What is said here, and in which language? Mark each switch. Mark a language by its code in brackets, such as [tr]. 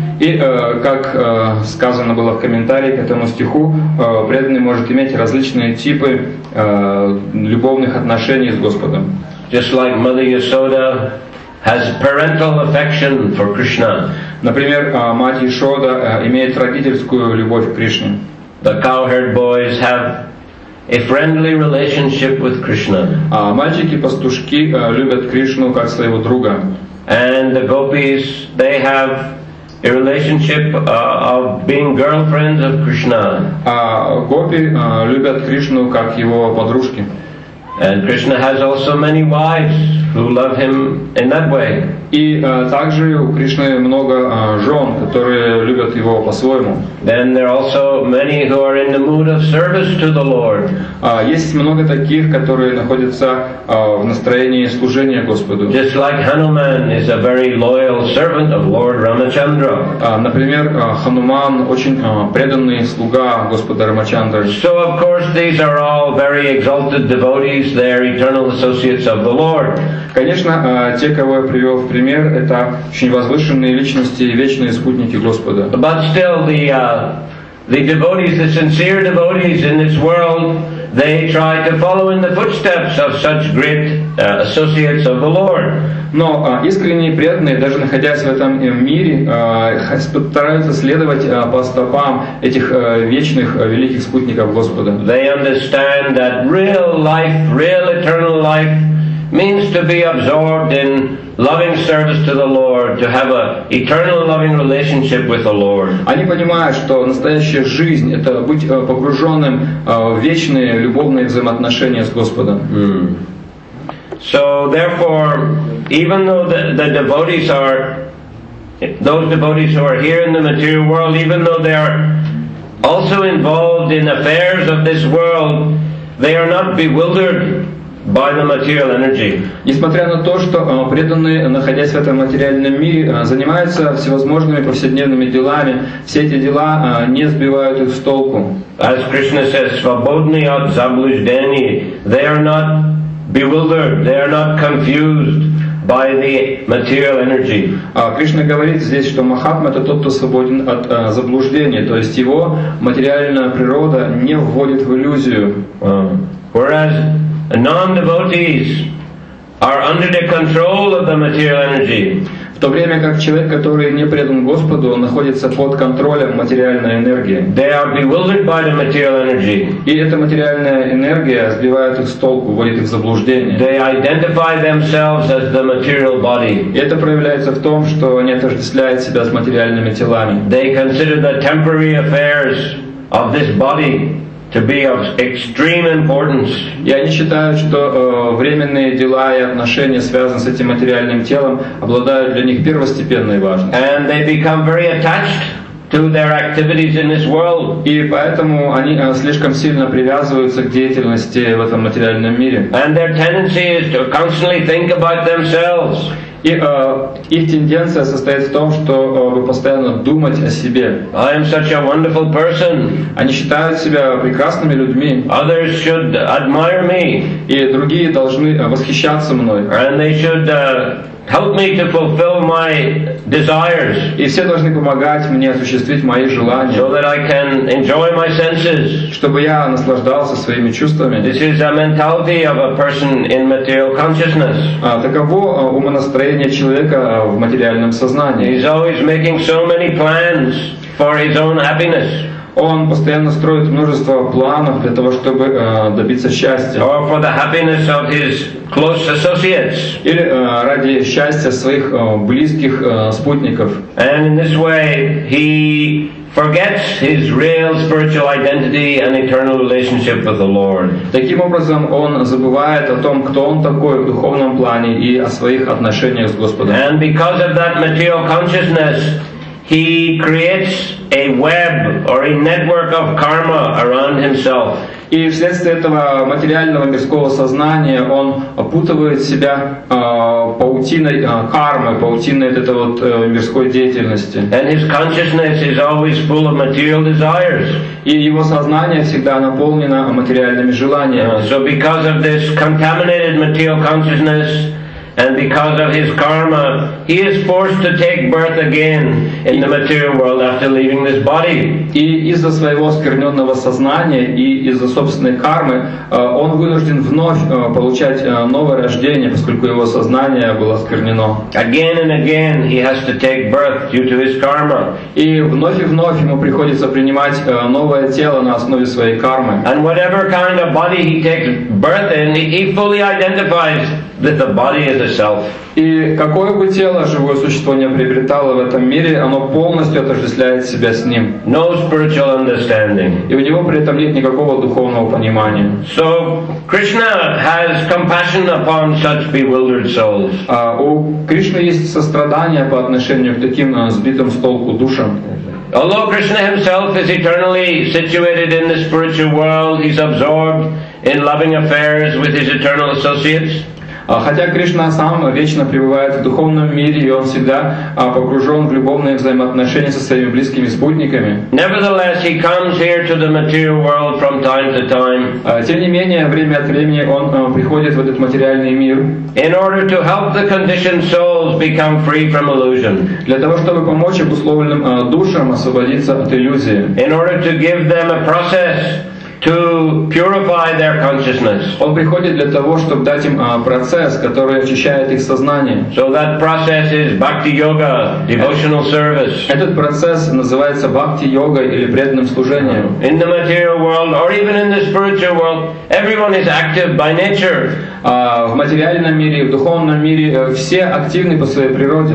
[ru] И как сказано было в комментарии к этому стиху, преданный может иметь различные типы любовных отношений с Господом. [en] Just like Mother Yasoda has parental affection for Krishna. [ru] Например, мать Ясода имеет родительскую любовь к Кришне. [en] The cowherd boys have a friendly relationship with Krishna. [ru] А мальчики-пастушки любят Кришну как своего друга. [en] And the gopis, they have a relationship of being girlfriends of Krishna. [ru] А гопи любят Кришну как его подружки. [en] And Krishna has also many wives who love him in that way. [ru] И также у Кришны много жен, которые любят его по-своему. [en] Then there are also many who are in the mood of service to the Lord. [ru] Есть много таких, которые находятся в настроении служения Господу. [en] Just like Hanuman is a very loyal servant of Lord Ramachandra. [ru] Например, Хануман очень преданный слуга Господа Рамачандры. [en] So of course these are all very exalted devotees, they are eternal associates of the Lord. [ru] Конечно, те, кого я привел в пример, это очень возвышенные личности и вечные спутники Господа. [en] But still the devotees, the sincere devotees in this world, they try to follow in the footsteps of such great associates of the Lord. [ru] Но искренние преданные, даже находясь в этом мире, стараются следовать по стопам этих вечных великих спутников Господа. [en] They understand that real life, real eternal life means to be absorbed in loving service to the Lord, to have an eternal loving relationship with the Lord. [ru] Они понимают, что настоящая жизнь — это быть погруженным в вечные любовные взаимоотношения с Господом. Mm. [en] So, therefore, even though the devotees are, those devotees who are here in the material world, even though they are also involved in affairs of this world, they are not bewildered by the material energy. [ru] Несмотря на то, что преданные, находясь в этом материальном мире, занимаются всевозможными повседневными делами, все эти дела не сбивают их с толку. [en] As Krishna says, [ru] "Свободные от заблуждений, [en] they are not bewildered, they are not confused by the material energy." [ru] Кришна говорит здесь, что Махатма — это тот, кто свободен от заблуждений, то есть его материальная природа не вводит в иллюзию. [en] Whereas non-devotees are under the control of the material energy. [ru] В то время как человек, который не предан Господу, находится под контролем материальной энергии. [en] They are bewildered by the material energy. [ru] И эта материальная энергия сбивает их с толку, вводит их в заблуждение. [en] They identify themselves as the material body. [ru] И это проявляется в том, что они отождествляют себя с материальными телами. [en] They consider the temporary affairs of this body to be of extreme importance. [ru] И они считают, что временные дела и отношения, связанные с этим материальным телом, обладают для них первостепенной важностью. [en] And they become very attached to their activities in this world. [ru] И поэтому они слишком сильно привязываются к деятельности в этом материальном мире. [en] And their tendency is to constantly think about themselves. [ru] И их тенденция состоит в том, чтобы постоянно думать о себе. [en] I am such a wonderful person. [ru] Они считают себя прекрасными людьми. [en] Others should admire me. [ru] И другие должны восхищаться мной. [en] And they should help me to fulfill my desires. [ru] И все должны помогать мне осуществить мои желания. [en] So that I can enjoy my senses. [ru] Чтобы я наслаждался своими чувствами. [en] This is a mentality of a person in material consciousness. [ru] Таково умонастроение человека в материальном сознании. [en] He's always making so many plans for his own happiness. [ru] Он постоянно строит множество планов для того, чтобы добиться счастья. [en] Or for the happiness of his close associates. [ru] Или ради счастья своих близких спутников. [en] And in this way he forgets his real spiritual identity and eternal relationship with the Lord. [ru] Таким образом, он забывает о том, кто он такой в духовном плане и о своих отношениях с Господом. [en] And because of that material consciousness, he creates a web or a network of karma around himself. [ru] И вследствие этого материального мирского сознания он опутывает себя паутиной кармы, паутиной вот этой вот мирской деятельности. [en] And his consciousness is always full of material desires. [ru] И его сознание всегда наполнено материальными желаниями. [en] So because of this contaminated material consciousness, and because of his karma, he is forced to take birth again in the material world after leaving this body. [ru] И из-за своего оскверненного сознания и из-за собственной кармы он вынужден вновь получать новое рождение, поскольку его сознание было осквернено. [en] Again and again he has to take birth due to his karma. [ru] И вновь ему приходится принимать новое тело на основе своей кармы. [en] And whatever kind of body he takes birth in, he fully identifies that the body is a self. [ru] И какое бы тело живое существо не приобретало в этом мире, оно полностью отождествляет себя с ним. [en] No spiritual understanding. [ru] И у него при этом нет никакого духовного понимания. [en] So Krishna has compassion upon such bewildered souls. [ru] У Кришны есть сострадание по отношению к таким сбитым с толку душам. [en] Although Krishna himself is eternally situated in the spiritual world, he's absorbed in loving affairs with his eternal associates. [ru] Хотя Кришна сам вечно пребывает в духовном мире, и он всегда погружен в любовные взаимоотношения со своими близкими спутниками. [en] Nevertheless, he comes here to the material world from time to time. [ru] Тем не менее, время от времени он приходит в этот материальный мир. [en] In order to help the conditioned souls become free from illusion. [ru] Для того, чтобы помочь обусловленным душам освободиться от иллюзии. [en] In order to give them a process to purify their consciousness. [ru] Он приходит для того, чтобы дать им процесс, который очищает их сознание. [en] So that process is bhakti yoga, devotional service. [ru] Этот процесс называется бхакти йога или преданным служением. [en] In the material world or even in the spiritual world, everyone is active by nature. [ru] В материальном мире, в духовном мире все активны по своей природе.